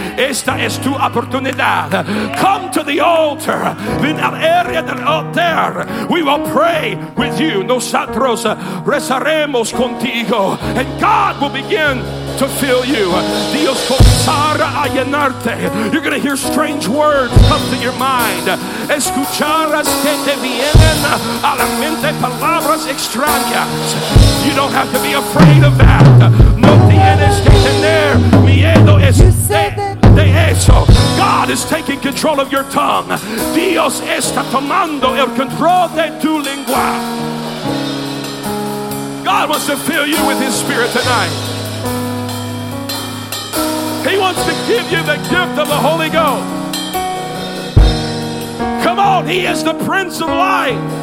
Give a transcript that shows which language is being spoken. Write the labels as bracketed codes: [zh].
[es] Esta es tu oportunidad. [en] Come to the altar. [es] Ven al área del altar. [en] We will pray with you. [es] Nosotros rezaremos contigo. [en] And God will begin to fill you. [es] Dios comenzará a llenarte. [en] You're going to hear strange words come to your mind. [es] Escucharás que te vienen a la mente palabras extrañas. [en] You don't have to be afraid of that. [es] No tienes que tener miedo de eso. [en] God is taking control of your tongue. [es] Dios está tomando el control de tu lengua. [en] God wants to fill you with his spirit tonight. He wants to give you the gift of the Holy Ghost. Come on, he is the Prince of Life.